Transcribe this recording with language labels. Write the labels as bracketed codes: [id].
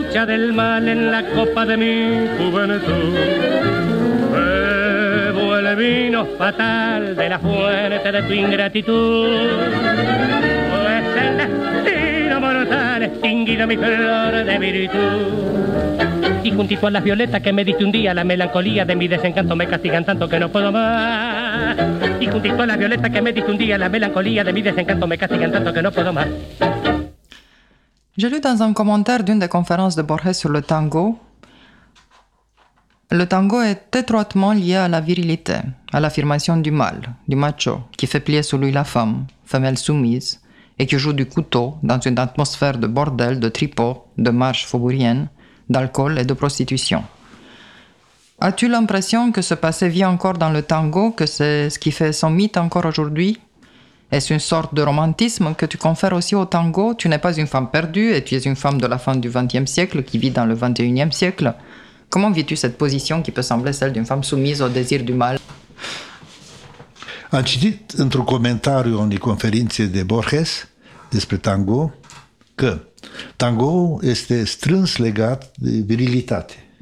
[es] Del mal en la copa de mi juventud, bebo el vino fatal de la fuente de tu ingratitud, pues el destino mortal extinguido mi flor de virtud. Y juntito a las violetas que me diste un día, la melancolía de mi desencanto me castigan tanto que no puedo más. Y juntito a las violetas que me diste un día, la melancolía de mi desencanto me castigan tanto que no puedo más. [fr] J'ai lu dans un commentaire d'une des conférences de Borges sur le tango, le tango est étroitement lié à la virilité, à l'affirmation du mâle, du macho, qui fait plier sous lui la femme, femelle soumise, et qui joue du couteau dans une atmosphère de bordel, de tripot, de marche faubourienne, d'alcool et de prostitution. As-tu l'impression que ce passé vit encore dans le tango, que c'est ce qui fait son mythe encore aujourd'hui? Est-ce une sorte de romantisme que tu confères aussi au tango? Tu n'es pas une femme perdue et tu es une femme de la fin du XXe siècle qui vit dans le XXIe siècle. Comment vis-tu cette position qui peut sembler celle d'une femme soumise au désir du mal? [ro] Am citit într-un comentariu unei conferințe de Borges despre tango că tango este strâns legat de virilitate.